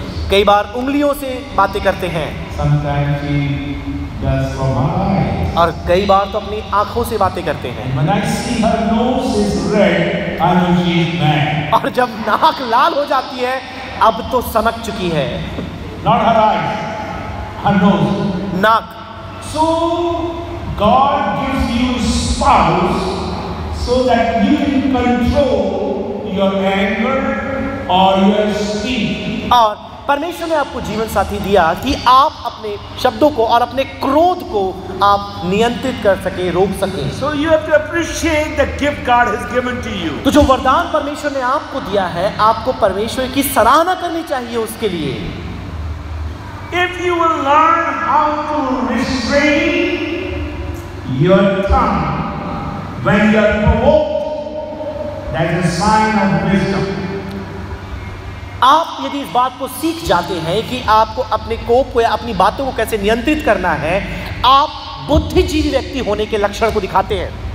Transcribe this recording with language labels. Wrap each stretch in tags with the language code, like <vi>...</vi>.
<hi>कई बार उंगलियों से बातें करते हैं और कई बार तो अपनी आंखों से बातें करते हैं। और जब नाक लाल हो जाती है अब तो समझ चुकी है।</hi> <en>Not her eyes, her nose.</en> <hi>नाक।</hi> <en>So God gives you spouse so that you can control your anger or your speech.</en> <hi>और परमेश्वर ने आपको जीवन साथी दिया कि आप अपने शब्दों को और अपने क्रोध को आप नियंत्रित कर सके, रोक सके।</hi> <en>So you have to appreciate the gift God has given to you.</en> <hi>तो जो वरदान परमेश्वर ने आपको दिया है आपको परमेश्वर की सराहना करनी चाहिए उसके लिए।</hi> <en>If you will learn how to restrain your tongue when you are provoked, that is a sign of wisdom.</en> <hi>आप यदि इस बात को सीख जाते हैं कि आपको अपने कोप को या अपनी बातों को कैसे नियंत्रित करना है, आप बुद्धिजीवी व्यक्ति होने के लक्षण को दिखाते हैं।</hi>